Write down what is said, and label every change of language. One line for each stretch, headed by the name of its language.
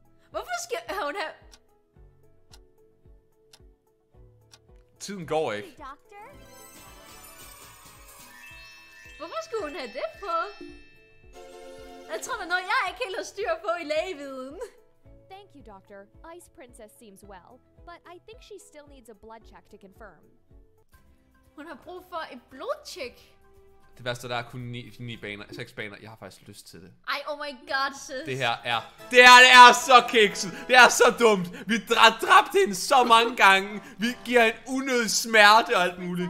Danish: Hvorfor skal hun have... Tiden går ikke. Hvorfor skal hun have det på? Jeg tror, der er noget, jeg ikke helt har styr på i lægeviden.
English: Thank you, doctor. Ice Princess seems well, but I think she still needs a blood check to confirm.
Danish: Hun har brug for et blodcheck. Det værste, der er kun 6 baner. Jeg har faktisk lyst til det.
English: Ej, oh my god, sis.
Danish: Det her er... Det er så kikset. Det er så dumt. Vi dræbte hende så mange gange. Vi giver hende unød smerte og alt muligt.